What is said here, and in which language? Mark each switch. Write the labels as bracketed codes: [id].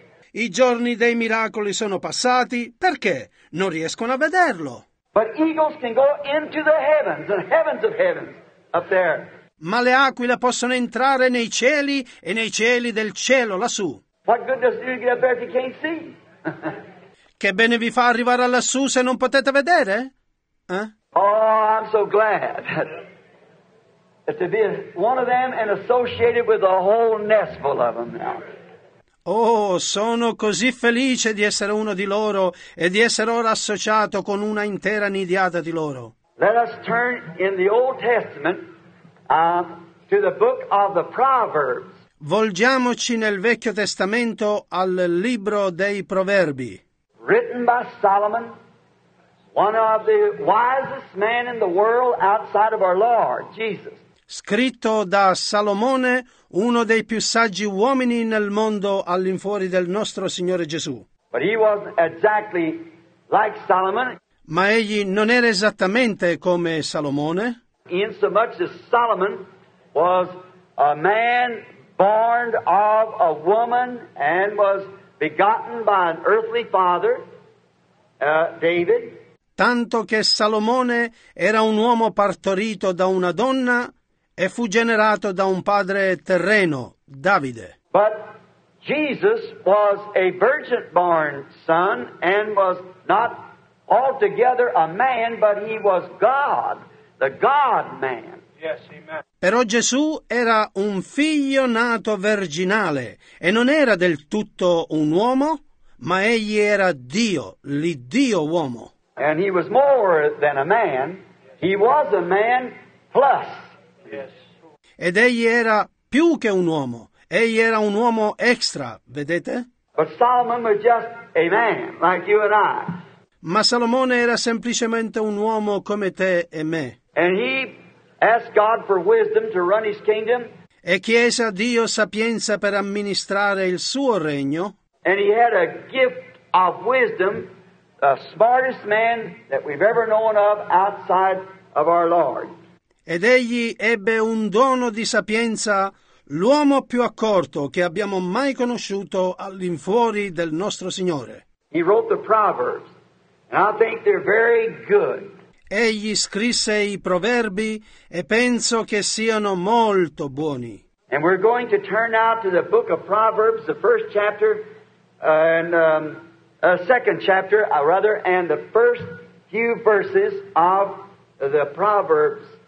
[it] I giorni dei miracoli sono passati, perché non riescono a vederlo? [en] But eagles can go into the heavens, the heavens of heavens, up there. [it] Ma le aquile possono entrare nei cieli e nei cieli del cielo lassù. [en] What good does it do to get up there if you can't see? [it] Che bene vi fa arrivare lassù se non potete vedere? Eh? [en] Oh, I'm so glad that to be one of them and associated with a whole nest full of them now. [it] Oh, sono così felice di essere uno di loro e di essere ora associato con una intera nidiata di loro. [en] Let us turn in the Old Testament to the book of the Proverbs. [it] Volgiamoci nel Vecchio Testamento al libro dei Proverbi. [en] Written by Solomon, one of the wisest men in the world outside of our Lord Jesus. [it] Scritto da Salomone, uno dei più saggi uomini nel mondo all'infuori del nostro Signore Gesù. [en] But he wasn't exactly like Solomon. [it] Ma egli non era esattamente come Salomone. [en] In so much as Solomon was a man born of a woman and was begotten by an earthly father, David. [it] Tanto che Salomone era un uomo partorito da una donna e fu generato da un padre terreno, Davide. [en] But Jesus was a virgin born son and was not altogether a man, but he was God, the God man. Yes, amen. [it] Però Gesù era un figlio nato virginale e non era del tutto un uomo, ma egli era Dio, l'Iddio uomo. [en] And he was more than a man, he was a man plus. [it] Ed egli era più che un uomo, egli era un uomo extra, vedete? [en] But Solomon was just a man, like you and I. [it] Ma Salomone era semplicemente un uomo come te e me. [en] And he asked God for wisdom to run his kingdom. [it] E chiese a Dio sapienza per amministrare il suo regno. [en] And he had a gift of wisdom, the smartest man that we've ever known of outside of our Lord. [it] Ed egli ebbe un dono di sapienza, l'uomo più accorto che abbiamo mai conosciuto all'infuori del nostro Signore. [en] He wrote the Proverbs, and I think they're very good. [it] Egli scrisse i Proverbi e penso che siano molto buoni. [en] And we're going to turn now to the book of Proverbs, the first chapter, and a second chapter, rather, and the first few verses of the Proverbs.